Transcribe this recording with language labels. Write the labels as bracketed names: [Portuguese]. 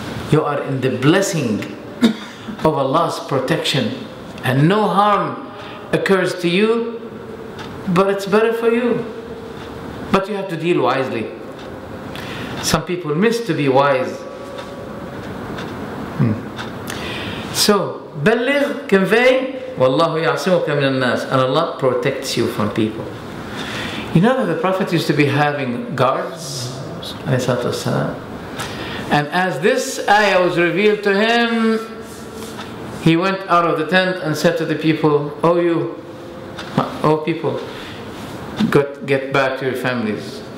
[English] You are in the blessing of Allah's protection, and no harm occurs to you, but it's better for you. But you have to deal wisely. Some people miss to be wise. So, [Arabic] بلغ, [English] convey, [Arabic] وَاللَّهُ يَعْصِمُكَ مِنَ النَّاسِ. [English] And Allah protects you from people. You know that the Prophet used to be having guards, alayhi salatu wasalam. And as this ayah was revealed to him, he went out of the tent and said to the people, Oh people, get back to your families.